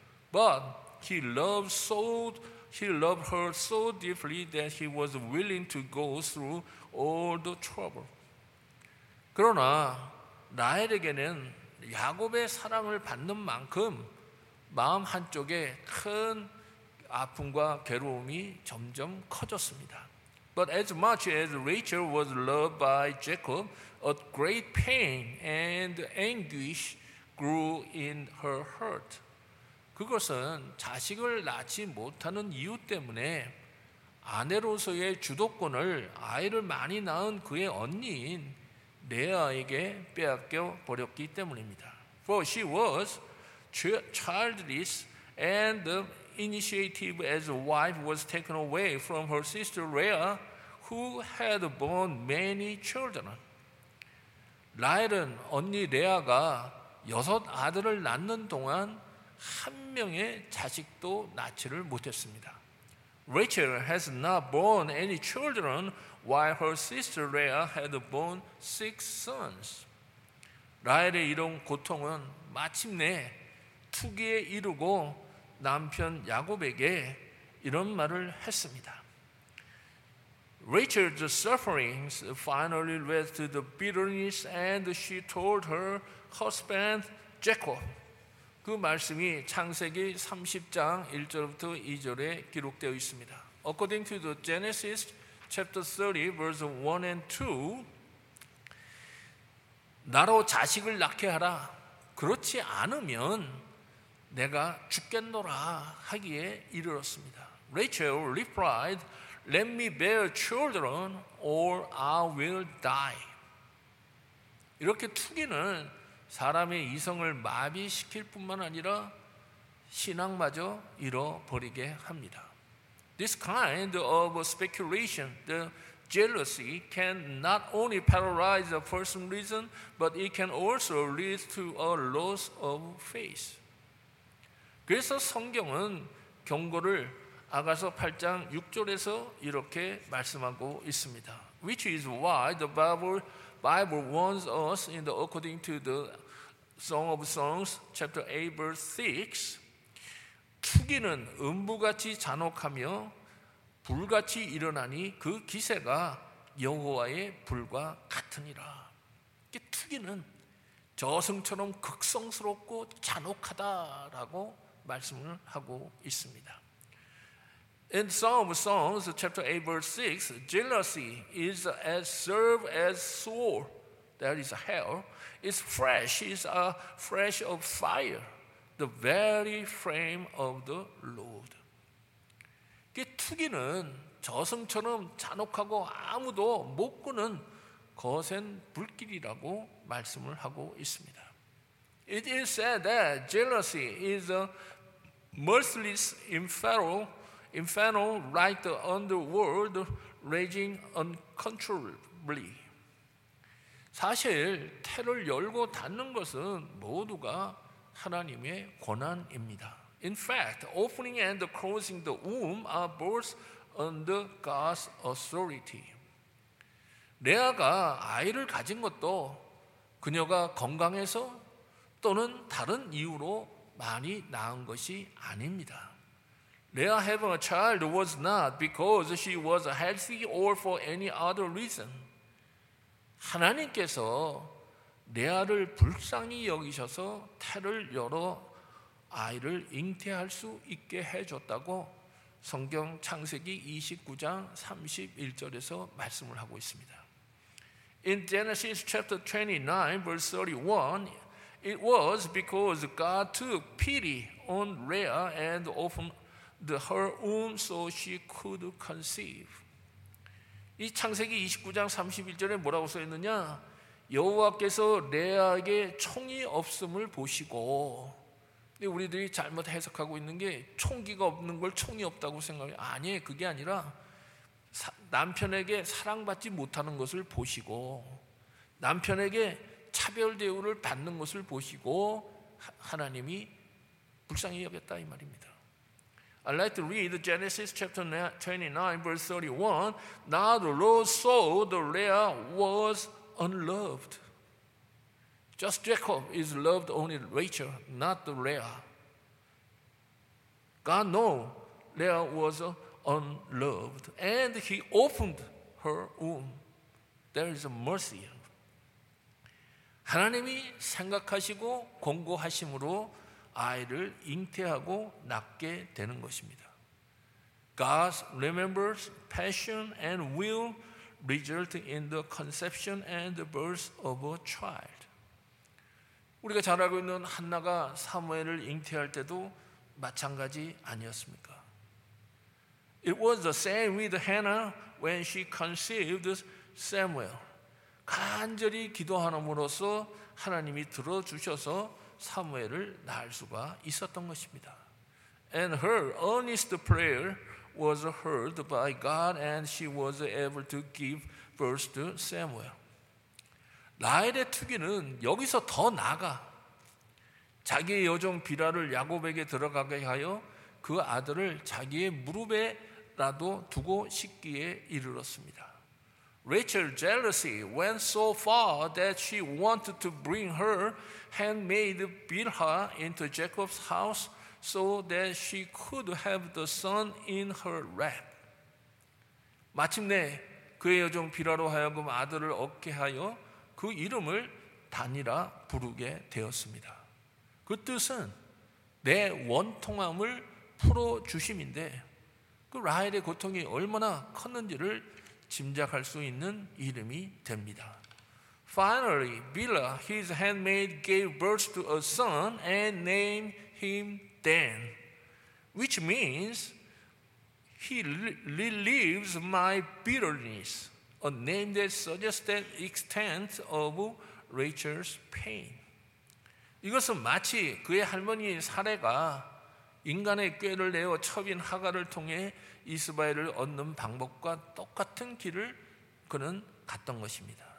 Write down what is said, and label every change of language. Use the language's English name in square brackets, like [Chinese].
[English] But he loved her so deeply that he was willing to go through all the trouble. [Korean] 그러나 라헬에게는 야곱의 사랑을 받는 만큼 마음 한쪽에 큰 아픔과 괴로움이 점점 커졌습니다. [English] But as much as Rachel was loved by Jacob, a great pain and anguish grew in her heart. [Korean] 그것은 자식을 낳지 못하는 이유 때문에 아내로서의 주도권을 아이를 많이 낳은 그의 언니인 레아에게 빼앗겨 버렸기 때문입니다. [English] For she was childless and initiative as a wife was taken away from her sister Leah, who had borne many children. [Korean] 라헬은 언니 레아가 여섯 아들을 낳는 동안 한 명의 자식도 낳지를 못했습니다. [English] Rachel has not borne any children, while her sister Leah had borne six sons. [Korean] 라헬의 이런 고통은 마침내 투기에 이르고 남편 야곱에게 이런 말을 했습니다. [English] Rachel's sufferings finally led to the bitterness, and she told her husband Jacob. [Korean] 그 말씀이 창세기 30장 1절부터 2절에 기록되어 있습니다. [English] According to the Genesis chapter 30, verse 1 and 2, [Korean] 나로 자식을 낳게 하라. 그렇지 않으면 내가 죽겠노라 하기에 이르렀습니다. [English] Rachel replied, Let me bear children or I will die. [Korean] 이렇게 투기는 사람의 이성을 마비시킬 뿐만 아니라 신앙마저 잃어버리게 합니다. [English] This kind of speculation, the jealousy, can not only paralyze a person's reason, but it can also lead to a loss of faith. [Korean] 그래서 성경은 경고를 아가서 8장 6절에서 이렇게 말씀하고 있습니다. [English] Which is why the Bible warns us in the according to the Song of Songs, chapter 8, verse 6, [Korean] 투기는 음부같이 잔혹하며 불같이 일어나니 그 기세가 여호와의 불과 같으니라. 투기는 저승처럼 극성스럽고 잔혹하다라고 말씀을 하고 있습니다. [English] In Song of Songs, chapter 8, verse 6, jealousy is as serve as sore, that is hell. Its flesh is a flesh of fire, the very flame of the Lord. [Korean] 투기는 저승처럼 잔혹하고 아무도 못 끄는 거센 불길이라고 말씀을 하고 있습니다. [English] It is said that jealousy is a merciless inferno like the underworld raging uncontrollably. [Korean] 사실 태를 열고 닫는 것은 모두가 하나님의 권한입니다. [English] In fact, opening and closing the womb are both under God's authority. [Korean] 레아가 아이를 가진 것도 그녀가 건강해서 또는 다른 이유로 많이 낳은 것이 아닙니다. [English] Leah having a child was not because she was healthy or for any other reason. [Korean] 하나님께서 레아를 불쌍히 여기셔서 태를 열어 아이를 잉태할 수 있게 해줬다고 성경 창세기 29장 31절에서 말씀을 하고 있습니다. [English] In Genesis chapter 29, verse 31, it was because God took pity on Leah and opened her womb so she could conceive. [Korean] 이 창세기 29장 31절에 뭐라고 써 있느냐? 여호와께서 레아에게 총이 없음을 보시고. 근데 우리들이 잘못 해석하고 있는 게 총기가 없는 걸 총이 없다고 생각해요. 아니에요. 그게 아니라 남편에게 사랑받지 못하는 것을 보시고 남편에게 차별 대우를 받는 것을 보시고 하나님이 불쌍히 여겼다 이 말입니다. [English] I'd like to read Genesis chapter 29, verse 31. Now the Lord saw the Leah was unloved. Just Jacob is loved only Rachel, not the Leah. God knew Leah was unloved, and he opened her womb. There is a mercy. [Korean] 하나님이 생각하시고 권고하심으로 아이를 잉태하고 낳게 되는 것입니다. [English] God remembers passion and will result in the conception and the birth of a child. [Korean] 우리가 잘 알고 있는 한나가 사무엘을 잉태할 때도 마찬가지 아니었습니까? [English] It was the same with Hannah when she conceived Samuel. [Korean] 간절히 기도함으로써 하나님이 들어주셔서 사무엘을 낳을 수가 있었던 것입니다. [English] And her earnest prayer was heard by God, and she was able to give birth to Samuel. [Korean] 라헬의 투기는 여기서 더 나아가 자기의 여종 빌하를 야곱에게 들어가게 하여 그 아들을 자기의 무릎에 라도 두고 싶기에 이르렀습니다. [English] Rachel's jealousy went so far that she wanted to bring her handmaid Bilhah into Jacob's house so that she could have the son in her lap. [Korean] 마침내 그의 여종 빌하로 하여금 아들을 얻게 하여 그 이름을 단이라 부르게 되었습니다. 그 뜻은 내 원통함을 풀어주심인데 그 라헬의 고통이 얼마나 컸는지를 짐작할 수 있는 이름이 됩니다. [English] Finally, Bilhah, his handmaid, gave birth to a son and named him Dan, which means he relieves my bitterness, a name that suggests the extent of Rachel's pain. [Korean] 이것은 마치 그의 할머니 사례가 인간의 꾀를 내어 처빈 하갈을 통해 이스마엘을 얻는 방법과 똑같은 길을 그는 갔던 것입니다.